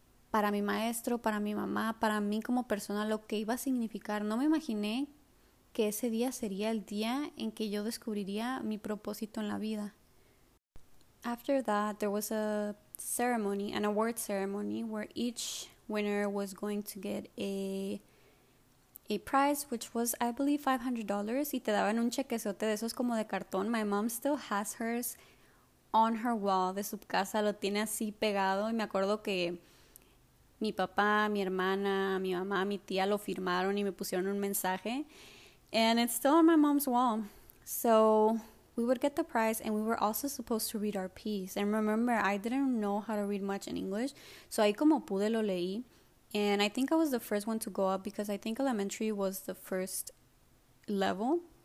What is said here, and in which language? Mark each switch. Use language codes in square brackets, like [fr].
[es] Para mi maestro, para mi mamá, para mí como persona, lo que iba a significar. No me imaginé que ese día sería el día en que yo descubriría mi propósito en la vida. [en] After that, there was a ceremony, an award ceremony, where each winner was going to get a prize, which was, I believe, $500, [es] y te daban un chequezote de esos como de cartón. [en] My mom still has hers on her wall [es] de su casa, lo tiene así pegado. Y me acuerdo que mi papá, mi hermana, mi mamá, mi tía lo firmaron y me pusieron un mensaje. [en] And it's still on my mom's wall. So we would get the prize, and we were also supposed to read our piece. And remember, I didn't know how to read much in English, so [es] ahí como pude lo leí. [en] And I think I was the first one to go up because I think elementary was the first level.